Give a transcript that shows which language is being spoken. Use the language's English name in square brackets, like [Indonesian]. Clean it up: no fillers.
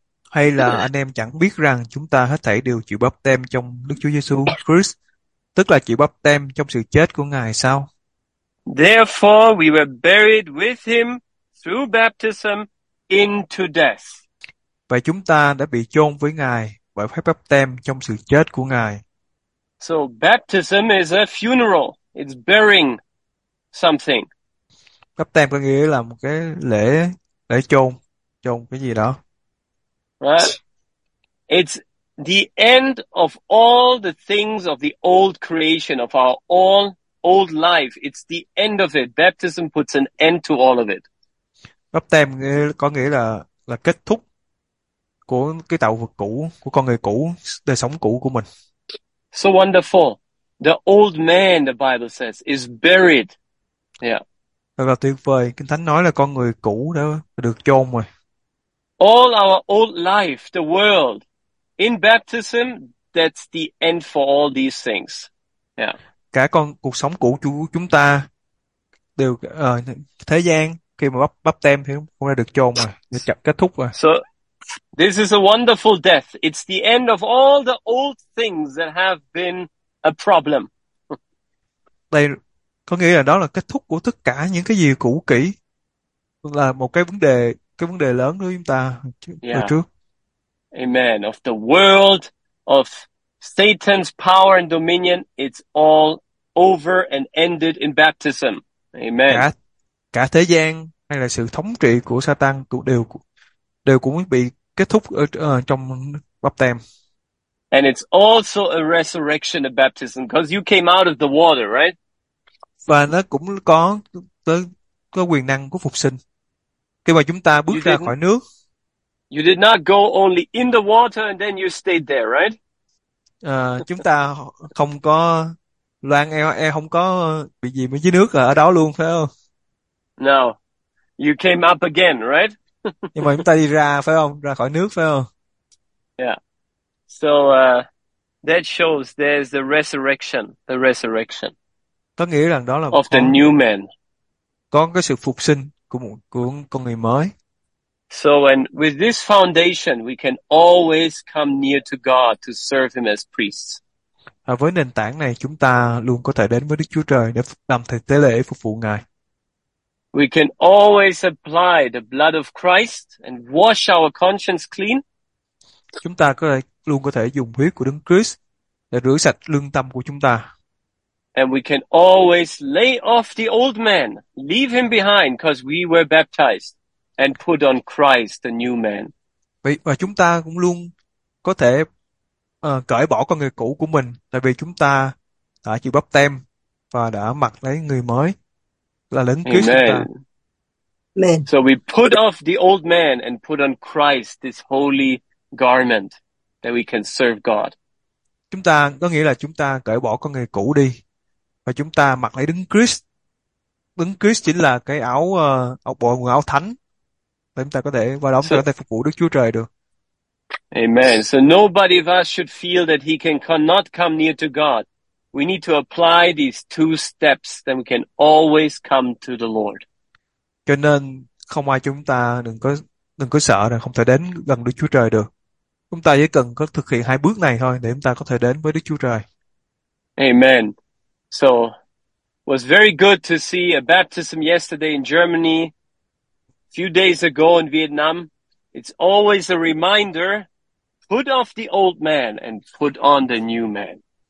[Vietnamese] Hay là anh em chẳng biết rằng chúng ta hết thảy đều chịu báp têm trong Đức Chúa Giêsu Christ, tức là chịu báp têm trong sự chết của Ngài sao? [English] Therefore, we were buried with him through baptism into death. [Vietnamese] Vậy chúng ta đã bị chôn với Ngài bởi phép báp têm trong sự chết của Ngài. [English] So baptism is a funeral. It's burying something. [Vietnamese] Báp têm có nghĩa là một cái lễ để chôn, chôn cái gì đó. [English] Right? It's the end of all the things of the old creation, of our old life. It's the end of it. Baptism puts an end to all of it. [Vietnamese] Báp têm có nghĩa là kết thúc của cái tạo vật cũ, của con người cũ, đời sống cũ của mình. [English] So wonderful. The old man, the Bible says, is buried. Yeah. [Vietnamese] Thật là tuyệt vời, Kinh Thánh nói là con người cũ đã được chôn rồi. [English] All our old life, the world, in baptism, that's the end for all these things. Yeah. [Vietnamese] Cả con cuộc sống cũ chúng ta đều thế gian khi mà bắp bắp tem thì cũng đã được chôn rồi, được chặt kết thúc rồi. [English] So, this is a wonderful death. It's the end of all the old things that have been a problem. [Vietnamese] Đây có nghĩa là đó là kết thúc của tất cả những cái gì cũ kỹ, là một cái vấn đề lớn đối với chúng ta hồi [English] Yeah. [Vietnamese] trước. [English] Amen. Of the world, of Satan's power and dominion, it's all over and ended in baptism. Amen. [Vietnamese] Cả thế gian hay là sự thống trị của Satan cũng đều cũng bị kết thúc ở trong báp têm. [English] And it's also a resurrection of baptism because you came out of the water, right? [Vietnamese] Và nó cũng có quyền năng của phục sinh khi mà chúng ta bước ra khỏi nước. [English] You did not go only in the water and then you stayed there, right? [Vietnamese] À, chúng ta không có loan eo không có bị gì mới dưới nước là ở đó luôn phải không? [English] No, you came up again, right? [Vietnamese] Nhưng mà chúng ta đi ra phải không? Ra khỏi nước phải không? [English] Yeah. So that shows there's the resurrection [Vietnamese] Có nghĩa rằng đó là [English] of the new man. [Vietnamese] có cái sự phục sinh của một con người mới. [English] So and with this foundation, we can always come near to God to serve him as priests. [Vietnamese] À, với nền tảng này chúng ta luôn có thể đến với Đức Chúa Trời để làm thầy tế lễ phục vụ Ngài. [English] We can always apply the blood of Christ and wash our conscience clean. [Vietnamese] Chúng ta luôn có thể dùng huyết của Đấng Christ để rửa sạch lương tâm của chúng ta. [English] And we can always lay off the old man, leave him behind, because we were baptized and put on Christ, the new man. [Vietnamese] Và chúng ta cũng luôn có thể cởi bỏ con người cũ của mình, tại vì chúng ta đã chịu báp têm và đã mặc lấy người mới là Đấng Christ chúng [English] Amen. [Vietnamese] ta. [English] Amen. So we put off the old man and put on Christ, this holy garment that we can serve God. [Vietnamese] Chúng ta có nghĩa là chúng ta cởi bỏ con người cũ đi và chúng ta mặc lấy Đấng Christ. Đấng Christ chính là cái quần áo thánh để chúng ta có thể qua đó chúng ta có thể phục vụ Đức Chúa Trời được. [English] Amen. So nobody of us should feel that he can cannot come near to God. We need to apply these two steps, then we can always come to the Lord. [Vietnamese] Cho nên không ai chúng ta đừng có sợ rằng không thể đến gần Đức Chúa Trời được. Chúng ta chỉ cần có thực hiện hai bước này thôi để chúng ta có thể đến với Đức Chúa Trời. [English] Amen. So it was very good to see a baptism yesterday in Germany, a few days ago in Vietnam. It's always a reminder, put off the old man and put on the new man.